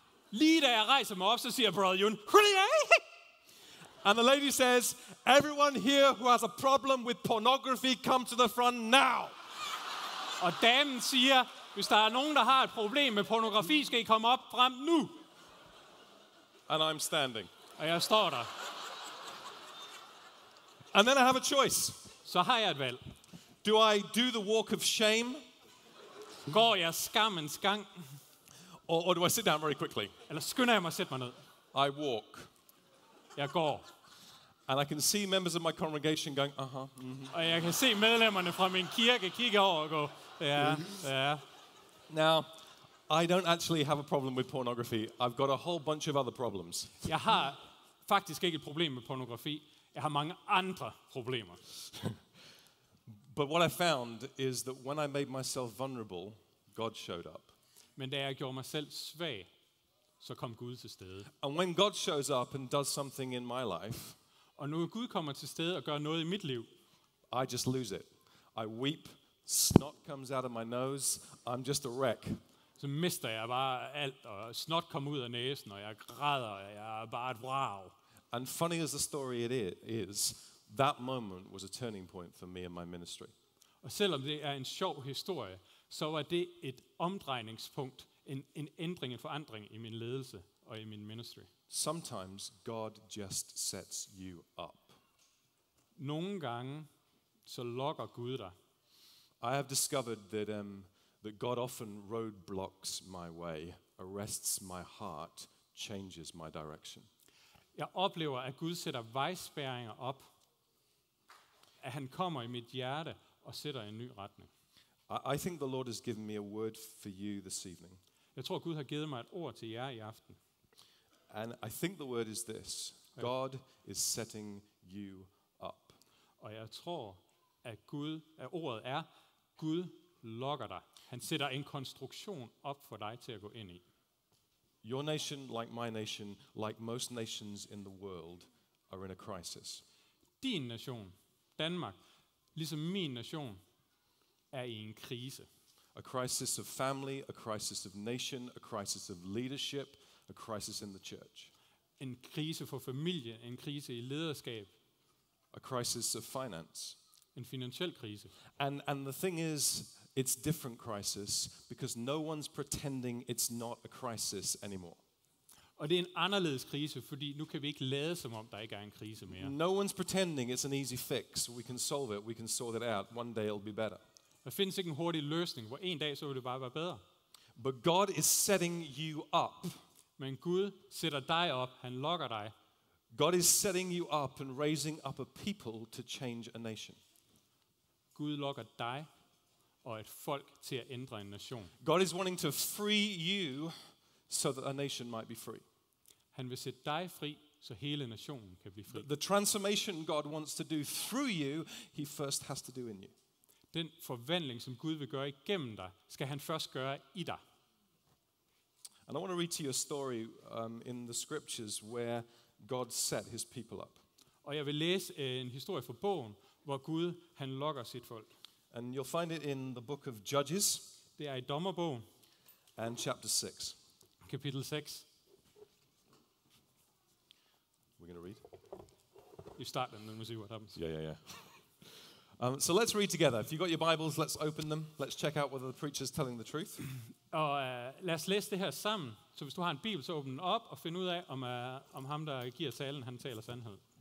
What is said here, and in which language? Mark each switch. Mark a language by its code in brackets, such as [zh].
[da] Lige da jeg rejser mig op, så siger Brother Yun, hulie. [en] And the lady says, everyone here who has a problem with pornography, come to the front now. [da] Og damen siger, hvis der er nogen, der har et problem med pornografi, skal I komme op frem nu. [en] And I'm standing. [da] Og jeg står der. [en] And then I have a choice. [da] Så har jeg et valg. [en] Do I do the walk of shame? [da] Går jeg skammens gang? [en] Or do I sit down very quickly? [da] Eller skynder jeg mig at sætte mig ned? [en] I walk. [da] Jeg går. [en] And I can see members of my congregation going, uh-huh. [da] Mm-hmm. Og jeg kan se medlemmerne fra min kirke kigge over og gå, ja, ja. [en] Now, I don't actually have a problem with pornography. I've got a whole bunch of other problems. [da] Jeg har faktisk ikke et problem med pornografi. Jeg har mange andre problemer. [en] But what I found is that when I made myself vulnerable, God showed up. [da] Men da jeg gjorde mig selv svag, så kom Gud til stede. [en] And when God shows up and does something in my life, [da] og når Gud kommer til stede og gør noget i mit liv, [en] I just lose it. I weep, snot comes out of my nose, I'm just a wreck. [da] Så mister jeg bare alt, og snot kommer ud af næsen, og jeg græder, og jeg er bare et vrag. [en] And funny as the story it is, that moment was a turning point for me and my ministry. [da] Og selvom det er en sjov historie, så var det et omdrejningspunkt, en ændring, en forandring i min ledelse og i min ministry. [en] Sometimes God just sets you up. [da] Nogle gange så lokker Gud dig. [en] I have discovered that God often roadblocks my way, arrests my heart, changes my direction. [da] Jeg oplever, at Gud sætter vejspærringer op, at han kommer i mit hjerte og sætter en ny retning. [en] I think the Lord has given me a word for you this evening. [da] Jeg tror, Gud har givet mig et ord til jer i aften. [en] And I think the word is this. God is setting you up. [da] Og jeg tror, at Gud, at ordet er, Gud lokker dig. Han sætter en konstruktion op for dig til at gå ind i. [en] Your nation, like my nation, like most nations in the world, are in a crisis. [da] Din nation, Danmark, ligesom min nation, er i en krise. [en] A crisis of family, a crisis of nation, a crisis of leadership, a crisis in the church. [da] En krise for familie, en krise i lederskab. [en] A crisis of finance. [da] En finansiel krise. [en] And the thing is, it's different crisis because no one's pretending it's not a crisis anymore. [da] Og det er en anderledes krise, fordi nu kan vi ikke lade som om der ikke er en krise mere. [en] No one's pretending it's an easy fix. We can solve it. We can sort it out. One day it'll be better. [da] Der findes ikke en hurtig løsning, hvor en dag så vil det bare være bedre. [en] But God is setting you up. [da] Men Gud sætter dig op. Han lokker dig. [en] God is setting you up and raising up a people to change a nation. [da] Gud lokker dig og et folk til at ændre en nation. [en] God is wanting to free you so that a nation might be free. [da] Han vil sætte dig fri, så hele nationen kan blive fri. [en] The transformation God wants to do through you, he first has to do in you. [da] Den forvandling, som Gud vil gøre igennem dig, skal han først gøre i dig. [en] And I want to read to you a story in the scriptures where God set his people up. [da] Og jeg vil læse en historie fra bogen, hvor Gud han lokker sit folk. [en] And you'll find it in the book of Judges. [da] Det er i Dommerbogen. [en] And chapter 6. [da] Kapitel 6. [en] We're going to read. You start and then we'll see what happens. Yeah. So let's read together. If you've got your Bibles, let's open them. Let's check out whether the preacher's telling the truth. [da] Og lad os læse det her sammen. Så hvis du har en bibel, så åbne den op og find ud af, om ham, der giver talen, han taler sandhed.